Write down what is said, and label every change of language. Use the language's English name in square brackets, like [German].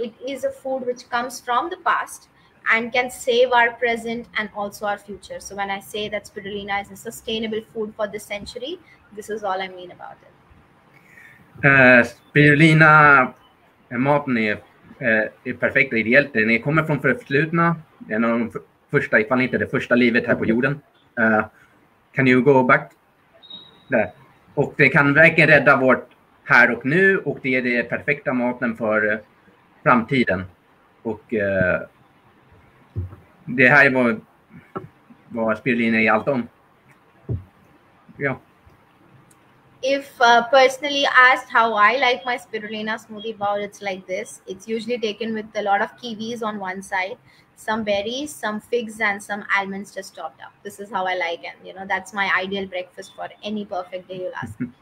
[English] It is a food which comes from the past and can save our present and also our future. So when I say that spirulina is a sustainable food for this century, this is all I mean about it. [Swedish] Spirulina maten är perfekt och ideellt. Den kommer från förflutna, en av de första, ifall inte det första livet här på jorden. [English] Can you go back there? [Swedish] Och det kan verkligen rädda vårt här och nu, och det är det perfekta maten för framtiden. Och det här är vad spirulina är allt om. Ja. [English] If personally asked how I like my spirulina smoothie bowl, it's like this. It's usually taken with a lot of kiwis on one side, some berries, some figs, and some almonds just chopped up. This is how I like it. You know, that's my ideal breakfast for any perfect day, you'll ask.